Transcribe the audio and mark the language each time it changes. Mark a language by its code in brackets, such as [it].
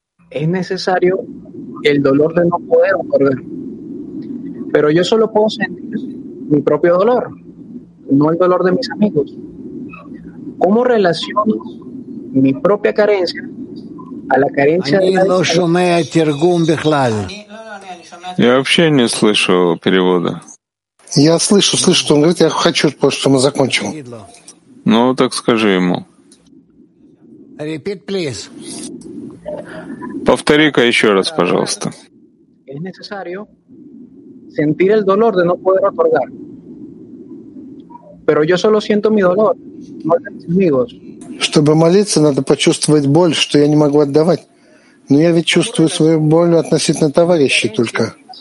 [es] Es necesario el dolor de no poder otorgar. Pero yo solo puedo sentir mi propio dolor, no el dolor de mis amigos. ¿Cómo relaciono mi propia carencia a la carencia de los demás? [ru] Я вообще не слышу перевода. Я слышу, слышу, что он говорит, я хочу, что мы закончим. Ну, так скажи ему. [en] Repeat, please. [ru] Повтори-ка еще раз, пожалуйста. [es] Es necesario sentir el dolor de no poder otorgar. Pero yo solo siento mi dolor, no de mis amigos. [ru] Чтобы молиться, надо почувствовать боль, что я не могу отдавать. Но я ведь чувствую свою боль относительно товарищей только.